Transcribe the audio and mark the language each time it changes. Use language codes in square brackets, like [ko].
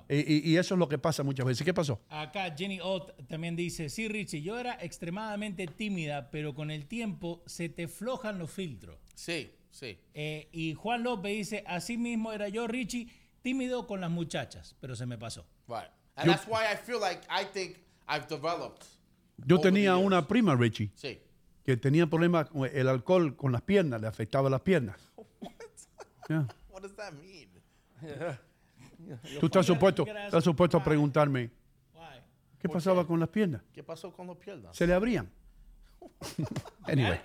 [es] Y eso es lo que pasa muchas veces. ¿Qué pasó? Acá Jenny Ott también dice, sí, Richie, yo era extremadamente tímida, pero con el tiempo se te aflojan los filtros. Sí, sí. Y Juan López dice, así mismo era yo, Richie, tímido con las muchachas, pero se me pasó. [en] Right. And that's why I feel like I think I've developed. [es] Yo tenía una prima, Richie. Sí. Que tenía problemas con el alcohol, con las piernas, le afectaba las piernas. [en] What? Yeah. What does that mean? [es] Tú estás supuesto a preguntarme, [en] why? [es] ¿Qué pasaba con las piernas? ¿Qué pasó con las piernas? ¿Se le abrían? [en] Anyway.